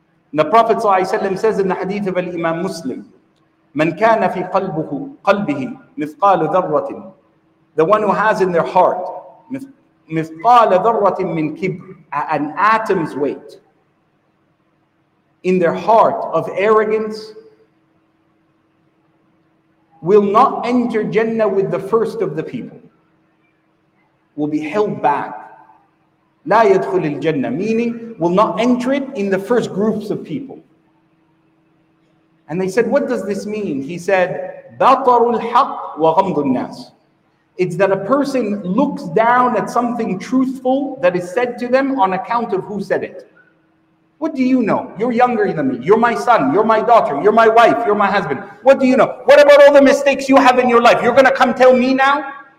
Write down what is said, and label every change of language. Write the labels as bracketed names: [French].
[English] And the Prophet ﷺ says in the hadith of Imam Muslim, [Arabic] من كان في قلبه قلبه مثقال ذرة, [English] the one who has in their heart [Arabic] مثقال ذرة من كبر, [English] an atom's weight in their heart of arrogance, will not enter Jannah with the first of the people, will be held back. [Arabic] لا يدخل الجنة, [English] meaning will not enter it in the first groups of people. And they said, what does this mean? He said, [Arabic] بَطَرُ الْحَقِّ وَغَمْضُ النَّاسِ. [English] It's that a person looks down at something truthful that is said to them on account of who said it. What do you know? You're younger than me. You're my son. You're my daughter. You're my wife. You're my husband. What do you know? What about all the mistakes you have in your life? You're going to come tell me now?